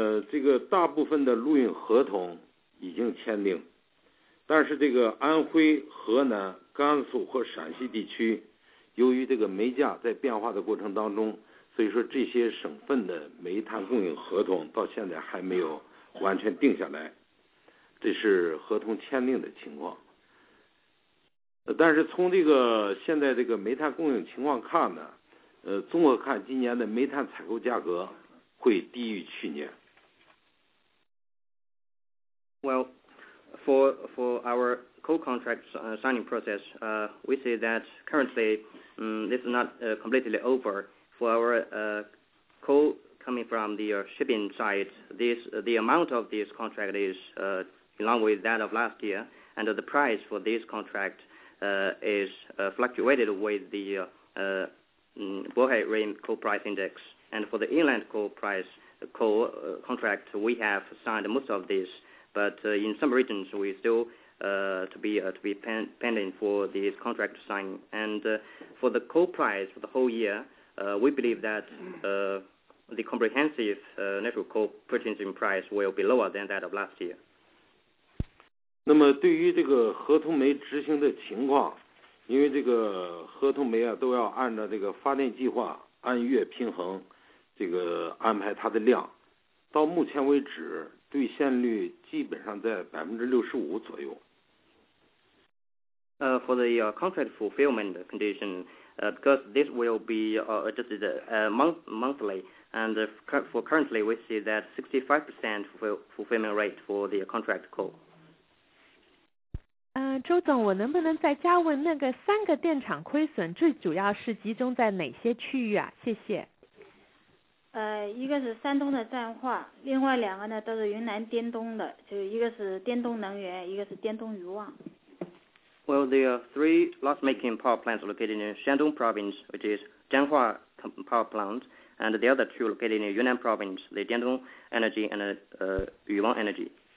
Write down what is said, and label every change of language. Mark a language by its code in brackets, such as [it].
[zh] 这个大部分的陆运合同已经签订，但是这个安徽、河南、甘肃和陕西地区，由于这个煤价在变化的过程当中，所以说这些省份的煤炭供应合同到现在还没有完全定下来，这是合同签订的情况。但是从这个现在这个煤炭供应情况看呢，综合看今年的煤炭采购价格会低于去年。 [en] Well, for our co-contract signing process, we see that currently this is not completely over. For our coal coming from the shipping side, the amount of this contract is along with that of last year, and the price for this contract is fluctuated with the Bohai Rim coal price index. And for the inland coal price coal contract, we have signed most of these, but in some regions we still to be pending for this contract to sign. And for the coal price for the whole year, we believe that the comprehensive natural coal purchasing price will be lower than that of last year. [zh] 那么对于这个合同煤执行的情况，因为这个合同煤啊都要按照这个发电计划按月平衡，这个安排它的量，到目前为止兑现率基本上在65%左右。 [en] For the contract fulfillment condition, because this will be adjusted monthly, and for currently we see that 65% fulfillment rate for the contract coal. [zh] 周总，我能不能再加问那个三个电厂亏损最主要是集中在哪些区域啊？谢谢。一个是山东的占化，另外两个呢都是云南滇东的，就一个是滇东能源，一个是滇东渔旺。 [en] Well, there are three loss-making power plants located in Shandong Province, which is Zhanghua Power Plant, and the other two located in Yunnan Province, the Dandong Energy and Yuwang Energy.